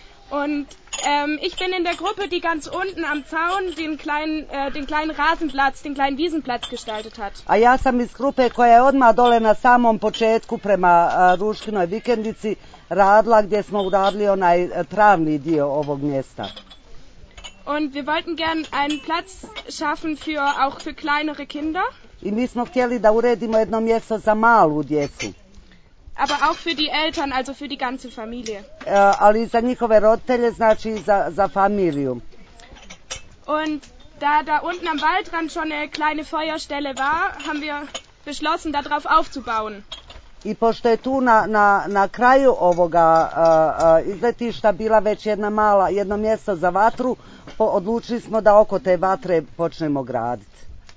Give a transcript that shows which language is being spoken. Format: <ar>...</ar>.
<de>Und ich bin in der Gruppe, die ganz unten am Zaun den kleinen Rasenplatz, den kleinen Wiesenplatz gestaltet hat.</de> <bs>A ja sam iz grupe koja je odmah dole na samom početku prema Ruškinoj vikendici radila, gdje smo uradili onaj travni dio ovog mjesta.</bs> <de>Und wir wollten gern einen Platz schaffen für auch für kleinere Kinder.</de> <bs>I mi smo htjeli da uredimo jedno mjesto za malu djecu.</bs> <de>Aber auch für die Eltern, also für die ganze Familie.</de> <bs>Ali za njihove roditelje, znači za familiju.</bs> <de>Und da unten am Waldrand schon eine kleine Feuerstelle war, haben wir beschlossen, da drauf aufzubauen.</de> <bs>I pošto je tu na kraju ovoga izletišta bila već jedno mjesto za vatru, odlučili smo da oko te vatre počnemo graditi.</bs>